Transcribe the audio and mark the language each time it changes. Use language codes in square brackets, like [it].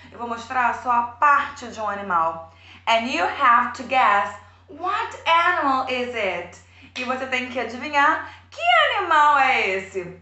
[pt] Eu vou mostrar só a parte de um animal. [en] And you have to guess, what animal is it? [pt] E você tem que adivinhar, que animal é esse?